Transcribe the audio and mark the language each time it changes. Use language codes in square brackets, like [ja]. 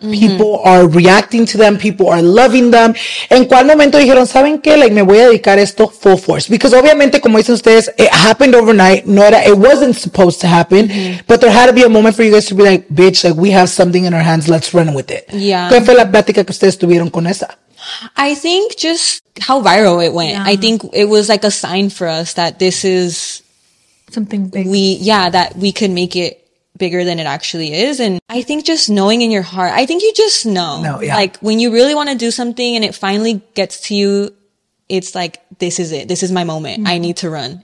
[en] Mm-hmm. People are reacting to them. People are loving them. [es] ¿En cuál momento dijeron, saben qué? Like, me voy a dedicar esto [en] full force. Because, [es] obviamente, como dicen ustedes, [en] it happened overnight. [es] No era, [en] it wasn't supposed to happen. Mm-hmm. But there had to be a moment for you guys to be like, bitch, like, we have something in our hands. Let's run with it. Yeah. [es] ¿Qué fue la plática que ustedes tuvieron con esa? [en] I think just how viral it went. Yeah. I think it was like a sign for us that this is something big. That we could make it bigger than it actually is. And I think just knowing in your heart, I think you just know. No, yeah. Like, when you really want to do something and it finally gets to you, it's like, this is it. This is my moment. Mm-hmm. I need to run.